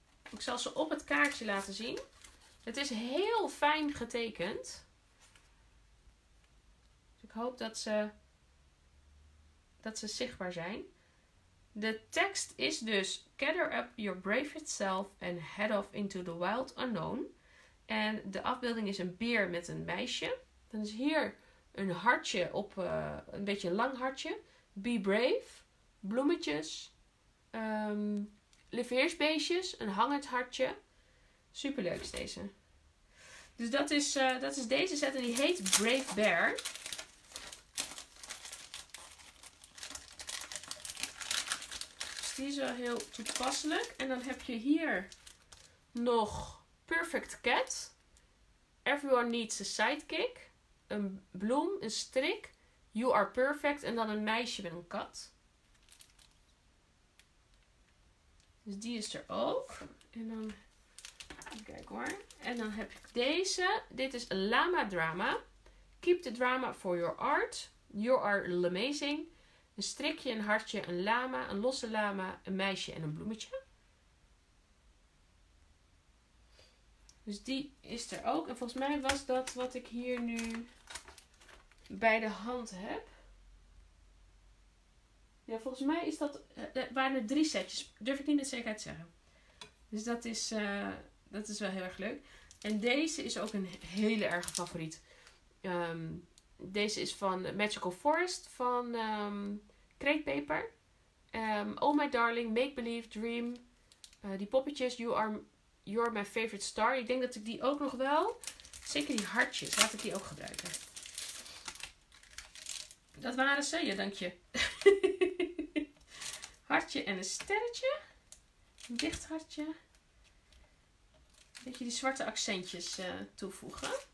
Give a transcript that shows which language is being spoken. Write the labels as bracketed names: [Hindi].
[Dutch] Ik zal ze op het kaartje laten zien. Het is heel fijn getekend. Dus ik hoop dat ze zichtbaar zijn. De tekst is dus: [English] gather up your bravest self and head off into the wild unknown. [Dutch] En de afbeelding is een beer met een meisje. Dan is hier een hartje op, een beetje een lang hartje. [English] Be brave, [Dutch] bloemetjes, leveersbeestjes, een hangend hartje. Superleuk is deze. Dus dat is deze set en die heet Brave Bear. Die is wel heel toepasselijk. En dan heb je hier nog Perfect Cat. [English] Everyone needs a sidekick. [Dutch] Een bloem, een strik. [English] You are perfect. [Dutch] En dan een meisje met een kat. Dus die is er ook. En dan, kijk hoor. En dan heb ik deze. Dit is Llama Drama. [English] Keep the drama for your art. You are amazing. [Dutch] Een strikje, een hartje, een lama, een losse lama, een meisje en een bloemetje. Dus die is er ook. En volgens mij was dat wat ik hier nu bij de hand heb. Ja, volgens mij is dat, waren er drie setjes. Durf ik niet met zekerheid te zeggen. Dus dat is wel heel erg leuk. En deze is ook een hele erge favoriet. Deze is van Magical Forest van Kreetpeper. [English] Oh My Darling, Make Believe, Dream. [Dutch] Die poppetjes, [English] you're my favorite star. [Dutch] Ik denk dat ik die ook nog wel. Zeker die hartjes, laat ik die ook gebruiken. Dat waren ze, ja, dank je. Hartje en een sterretje. Een dicht hartje. Een beetje die zwarte accentjes toevoegen.